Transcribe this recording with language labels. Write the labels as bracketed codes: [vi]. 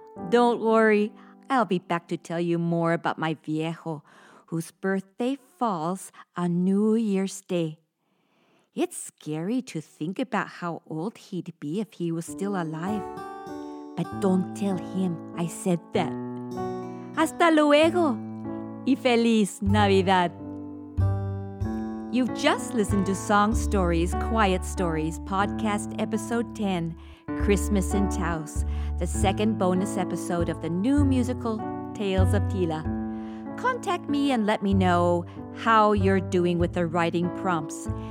[en] Don't worry, I'll be back to tell you more about my viejo, whose birthday falls on New Year's Day. It's scary to think about how old he'd be if he was still alive. But don't tell him I said that. [es] Hasta luego y feliz Navidad. [en] You've just listened to Song Stories, Quiet Stories, podcast episode 10, Christmas in Taos, the second bonus episode of the new musical, Tales of Tila. Contact me and let me know how you're doing with the writing prompts.